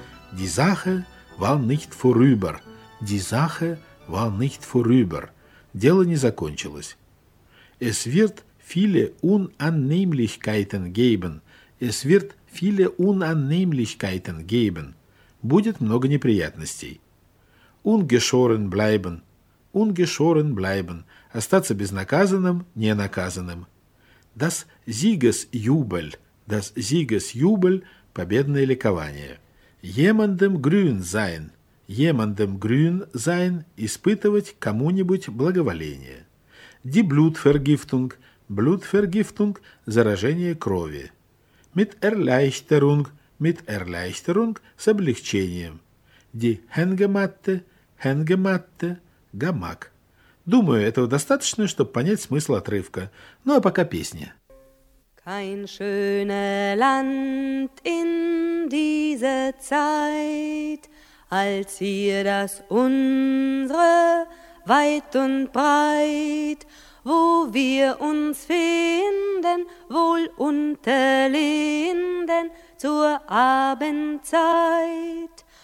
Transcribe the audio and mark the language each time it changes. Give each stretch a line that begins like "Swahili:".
German: Die Sache war nicht vorüber. Die Sache war nicht vorüber.
Russian: Дело не закончилось.
German: Es wird viele Unannehmlichkeiten geben. Es wird viele Unannehmlichkeiten geben.
Russian: Будет много неприятностей.
German: Ungeschoren bleiben. Ungeschoren bleiben.
Russian: Остаться безнаказанным, ненаказанным.
German: Das Siegesjubel. Das Siegesjubel.
Russian: Победное ликование.
German: Jemandem grün sein. Jemandem grün sein.
Russian: Испытывать кому-нибудь благоволение.
German: Die Blutvergiftung. Blutvergiftung.
Russian: Заражение крови.
German: Mit Erleichterung,
Russian: с облегчением.
German: Die Hängematte, Hängematte, Gamak.
Russian: Думаю, этого достаточно, чтобы понять смысл отрывка. Ну, а пока песня.
German: Kein schönes Land in dieser Zeit, als hier das unsere weit und breit. Wo wir uns finden, wohl unter Linden zur Abendzeit.